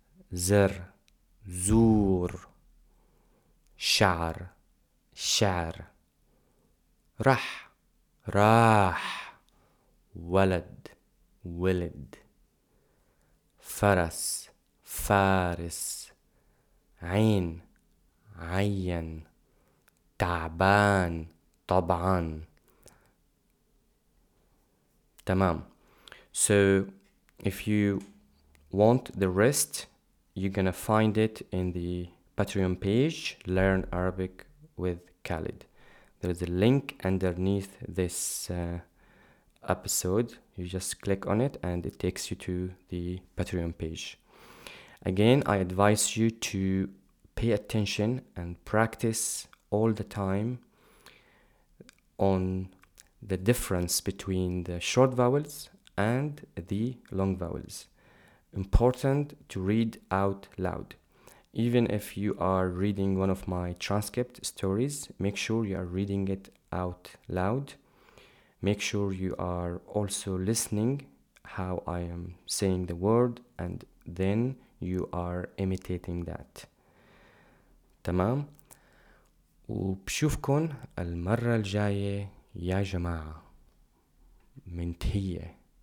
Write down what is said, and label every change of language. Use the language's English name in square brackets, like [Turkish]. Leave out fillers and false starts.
[Arabic] زر زور شعر شعر رح راح ولد ولد فرس فارس عين عين تعبان طبعا. Tamam. [English] So if you want the rest, you're gonna find it in the Patreon page, Learn Arabic with Khalid. There is a link underneath this episode. You just click on it and it takes you to the Patreon page. Again, I advise you to pay attention and practice all the time on the difference between the short vowels and the long vowels. Important to read out loud. Even if you are reading one of my transcript stories, make sure you are reading it out loud. Make sure you are also listening how I am saying the word, and then you are imitating that. [Arabic] Tamam. وبشوفكن المرة الجاية يا جماعة منتهية.